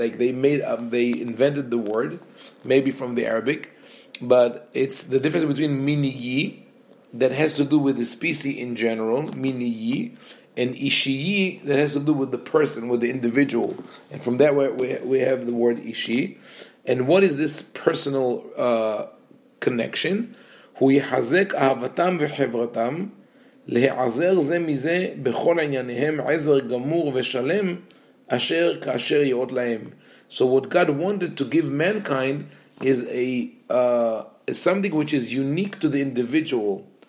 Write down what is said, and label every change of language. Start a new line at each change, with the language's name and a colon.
English: Like they invented the word, maybe from the Arabic, but it's the difference between miniyi, that has to do with the species in general, miniyi, and ishiyi, that has to do with the person, with the individual. And from that we have the word ishi. And what is this personal connection?
Hebrew: Hu yihazek ahavatam vechevratam, להעזר זה מזה בכל ענייניהם עזר גמור ושלם אשר כאשר יאות להם.
English: So what God wanted to give mankind is a something which is unique to the individual.